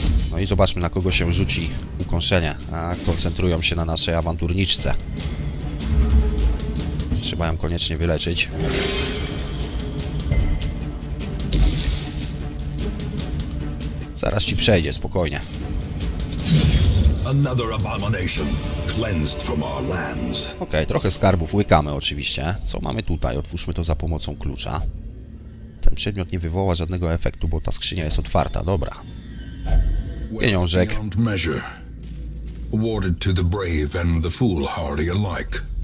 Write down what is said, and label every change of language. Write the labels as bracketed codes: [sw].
[pl] No i zobaczmy, na kogo się rzuci ukąszenie. A koncentrują się na naszej awanturniczce. Trzeba ją koniecznie wyleczyć. Zaraz ci przejdzie, spokojnie. [en] Another abomination cleansed from our lands. [pl] Okej, trochę skarbów łykamy oczywiście. Co mamy tutaj? Otwórzmy to za pomocą klucza. Ten przedmiot nie wywoła żadnego efektu, bo ta skrzynia jest otwarta. Dobra. Pieniążek. [en] Awarded to the brave and the foolhardy alike.